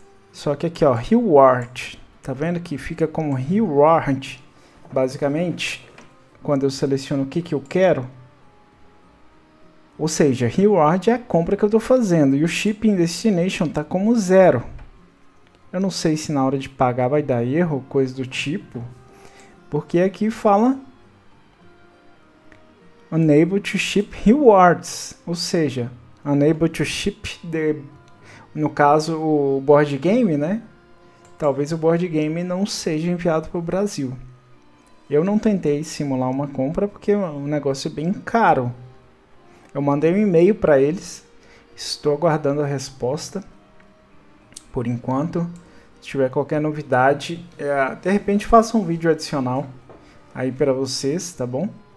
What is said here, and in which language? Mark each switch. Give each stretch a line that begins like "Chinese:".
Portuguese: Só que aqui, ó, reward, tá vendo que fica como reward, basicamente, quando eu seleciono o que que eu quero. Ou seja, reward é a compra que eu tô fazendo e o shipping destination tá como zero. Eu não sei se na hora de pagar vai dar erro, coisa do tipo. Porque aqui fala
English: Unable to ship rewards.
Portuguese: Ou seja,
English: unable to ship the...
Portuguese: No caso, o board game, né? Talvez o board game não seja enviado para o Brasil. Eu não tentei simular uma compra porque é um negócio bem caro. Eu mandei um e-mail para eles. Estou aguardando a resposta. Por enquanto, se tiver qualquer novidade, de repente faço um vídeo adicional aí para vocês, tá bom?